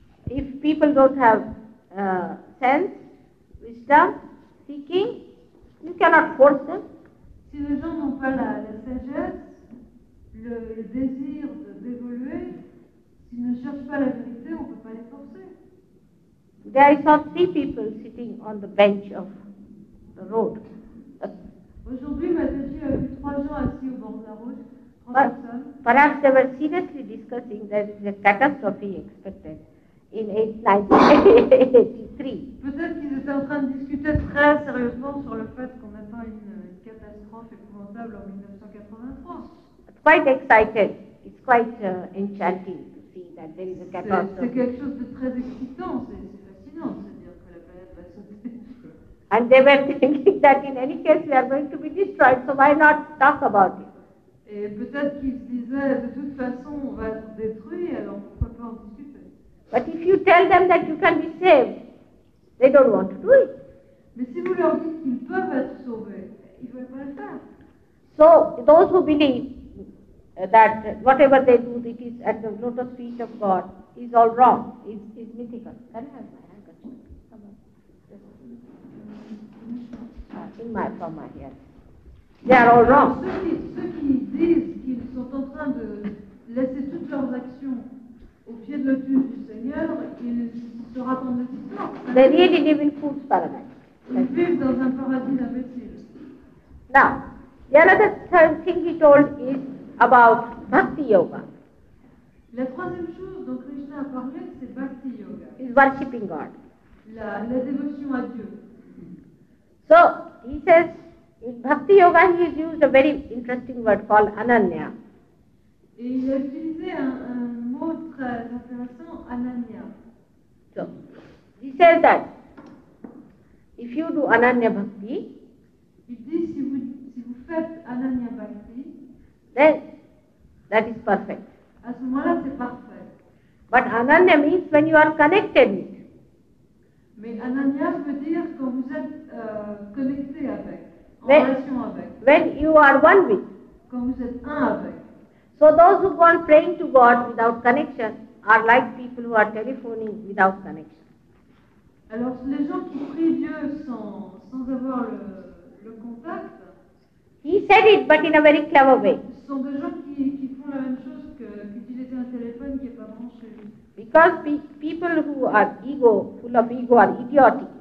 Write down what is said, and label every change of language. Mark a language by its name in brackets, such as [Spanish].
[English] If people don't have sense, wisdom, seeking, you cannot force them. [French] Si les gens n'ont pas la sagesse, le désir d'évoluer, s'ils ne cherchent pas la vérité, on ne peut pas les forcer. [English] There I saw three people sitting on the bench of the road. [French] Aujourd'hui, Mataji a vu trois gens assis au bord de la route. [English] Perhaps they were seriously discussing that there is a catastrophe expected in 1983. [French] Peut-être qu'ils étaient en train de discuter très sérieusement sur le fait qu'on attend une catastrophe épouvantable en 1983. [English] Quite excited. It's quite enchanting to see that there is a catastrophe. [French] C'est quelque chose de très excitant. C'est fascinant de se dire que la planète va sauter. [English] And they were thinking that in any case we are going to be destroyed, so why not talk about it? [French] Et peut-être qu'ils disaient, de toute façon, on va être détruit, alors pourquoi pas en discuter? [English] But if you tell them that you can be saved, they don't want to do it. [French] Mais si vous leur dites qu'ils peuvent être sauvés, ils ne veulent pas le faire. [English] So, those who believe that whatever they do, it is at the lotus feet of God, is all wrong, is mythical. Can I have my handkerchief? Come on. In my form, I hear. They are all wrong. [French] Ceux qui disent qu'ils sont en train de laisser toutes leurs actions au pied de l'autel du Seigneur, ils se racontent des histoires. [English] They really live in fool's paradise. [French] Ils vivent dans un paradis d'imbéciles. [English] Now, the other third thing he told is about bhakti yoga. [French] La troisième chose dont Krishna a parlé, c'est bhakti yoga. [English] Is worshipping God. [French] La dévotion à Dieu. [English] So he says. In bhakti yoga, he has used a very interesting word called ananya. [French] Et il a utilisé un mot très intéressant, ananya. [English] So, he says that if you do ananya bhakti, [French] il dit si vous faites ananya bhakti, [English] then that is perfect. [French] À ce moment-là, c'est parfait. [English] But ananya means when you are connected. [French] Mais ananya veut dire quand vous êtes connecté avec. [English] When you are one with. [French] Quand vous êtes un avec. [English] So those who go on praying to God without connection are like people who are telephoning without connection. [French] Alors les gens qui prient Dieu sans avoir le contact. [English] He said it, but in a very clever way. [French] Sont des gens qui font la même chose que d'utiliser un téléphone qui est pas branché. [English] Because people who are ego, full of ego, are idiotic.